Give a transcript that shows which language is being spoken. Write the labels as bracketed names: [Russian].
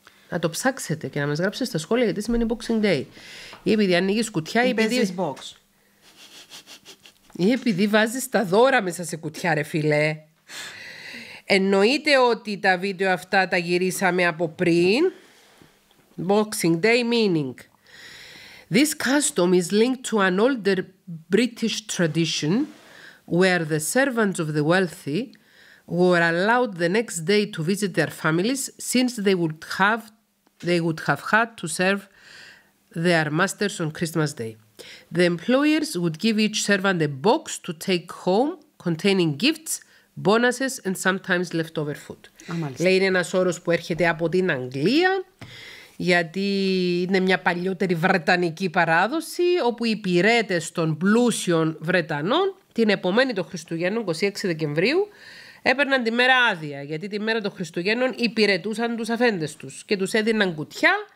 [Greek] Να το ψάξετε και να μας γράψετε στα σχόλια γιατί σημαίνει Boxing Day. Ή επειδή ανοίγει κουτιά. Ή επειδή... παίζεις box. Ή επειδή βάζεις τα δώρα μέσα σε κουτιά, ρε φίλε. Εννοείται ότι τα βίντεο αυτά τα γυρίσαμε από πριν. [English] Boxing Day meaning. This custom is linked to an older British tradition where the servants of the wealthy were allowed the next day to visit their families since they would have had to serve their masters on Christmas Day. The employers would give each servant a box to take home containing gifts, bonuses and sometimes leftover food. [Greek] Λέει είναι ένας όρος που έρχεται από την Αγγλία γιατί είναι μια παλιότερη βρετανική παράδοση όπου οι υπηρέτες των πλούσιων Βρετανών την επομένη των Χριστουγέννων, 26 Δεκεμβρίου, έπαιρναν τη μέρα άδεια γιατί τη μέρα των Χριστουγέννων υπηρετούσαν τους αφέντες τους και τους έδιναν κουτιά